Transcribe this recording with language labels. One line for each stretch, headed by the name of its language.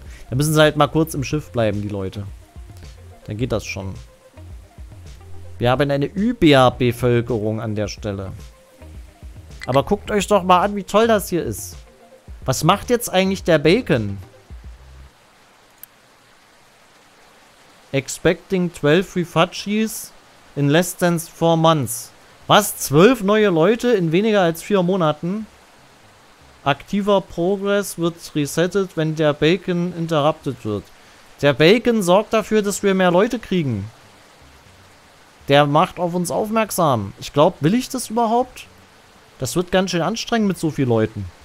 German: Da müssen sie halt mal kurz im Schiff bleiben, die Leute. Dann geht das schon. Wir haben eine Überbevölkerung an der Stelle. Aber guckt euch doch mal an, wie toll das hier ist. Was macht jetzt eigentlich der Bacon?
English: Expecting 12 Refugees in less than 4 months.
German: Was? 12 neue Leute in weniger als 4 Monaten? Aktiver Progress wird resettet, wenn der Bacon interrupted wird. Der Bacon sorgt dafür, dass wir mehr Leute kriegen. Der macht auf uns aufmerksam. Ich glaube, will ich das überhaupt? Das wird ganz schön anstrengend mit so vielen Leuten.